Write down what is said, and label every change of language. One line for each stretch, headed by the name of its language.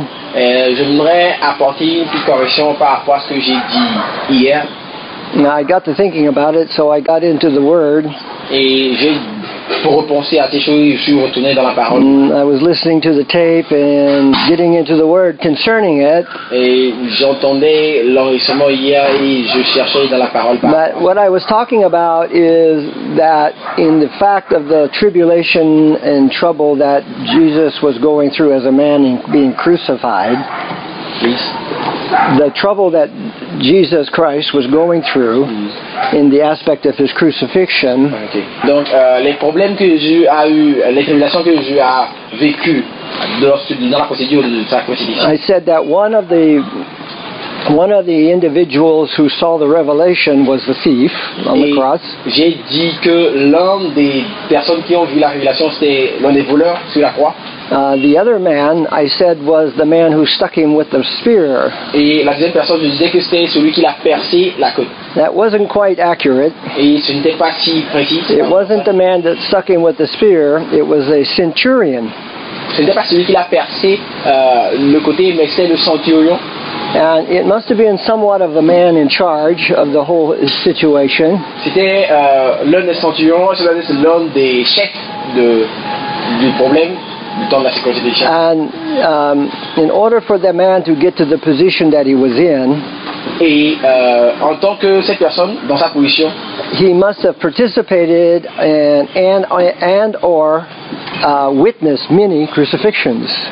French: J'aimerais apporter une petite correction par rapport à ce que j'ai dit hier.
English: Now I got to thinking about it, so I got into the Word.
French: Et j'ai repensé à ces choses, je suis retourné dans la parole.
English: I was listening to the tape and getting into the Word concerning it.
French: Et j'entendais l'enregistrement hier et je cherchais dans la parole.
English: But what I was talking about is that in the fact of the tribulation and trouble that Jesus was going through as a man and being crucified. Please. The trouble that Jesus Christ was going through in the aspect of his crucifixion. Okay.
French: Donc les problèmes que Jésus a eu, les tribulations que Jésus a vécu dans la procédure de sa crucifixion.
English: I said that one of the individuals who saw the revelation was the thief on the cross.
French: J'ai dit que l'un des personnes qui ont vu la révélation c'était l'un des voleurs sur la croix.
English: The other man, I said, was the man who stuck him with the spear.
French: Et la deuxième personne, je disais que c'était celui qui l'a percé la côte.
English: That wasn't quite accurate.
French: Et ce n'était pas si précis.
English: It wasn't the man that stuck him with the spear, it was a centurion.
French: Ce n'était pas celui qui l'a percé le côté, mais c'était le centurion.
English: And it must have been somewhat of the man in charge of the whole situation.
French: C'était l'un des centurions, c'est l'un des chefs du problème.
English: And in order for the man to get to the position that he was in,
French: et en tant que cette personne dans sa position,
English: he must have participated and or witnessed many crucifixions.